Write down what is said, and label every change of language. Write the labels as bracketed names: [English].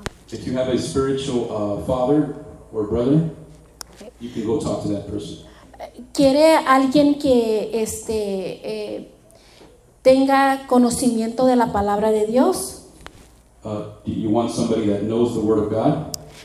[English] If you have a spiritual father or brother, okay, you can go talk to that person. [Spanish] ¿Quiere alguien que tenga conocimiento de la palabra de Dios? [English] Do you want somebody that knows the word of God?